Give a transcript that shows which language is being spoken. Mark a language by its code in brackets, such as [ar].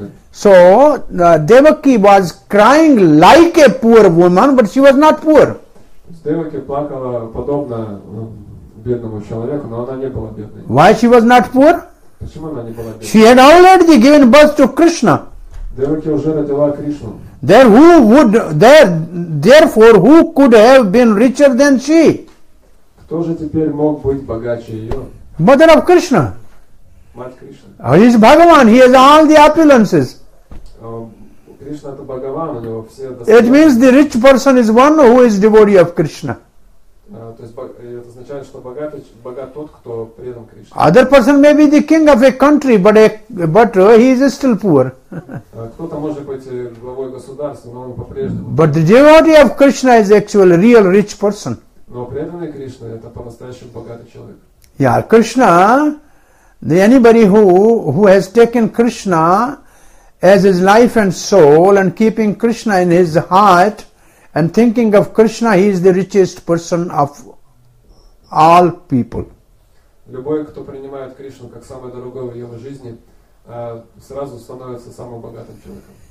[en] So, Devaki was crying like a poor woman, but she was not poor. [ru] Devaki плакала подобно бедному человеку, но она не была бедной. [en] Why she was not poor? [ru] Почему она не была бедной? [en] She had already given birth to Krishna. [ru] Devaki уже родила Кришну. [en] Therefore, who could have been richer than she? [ru] Кто же теперь мог быть богаче ее? [en] Mother of Krishna. [ru] Мать Кришна. [en] He is Bhagavan, he has all the opulences. [ru] Krishna это Bhagavan, у него все достаточно. [en] It means the rich person is one who is devotee of Krishna. [ru] То есть это означает, что богат тот, кто предан Кришне. [en] Other person may be the king of a country, but he is still poor. [ru] Кто-то может быть главой государства, но он по-прежнему. [en] But the devotee of Krishna is actually a real rich person. [ru] Но преданный Кришна это по-настоящему богатый человек. [en] Yeah, Krishna. Anybody who has taken Krishna as his life and soul and keeping Krishna in his heart and thinking of Krishna, he is the richest person of all people. [ru] Любой, кто принимает Кришну как самое дорогое в его жизни, сразу становится самым богатым человеком.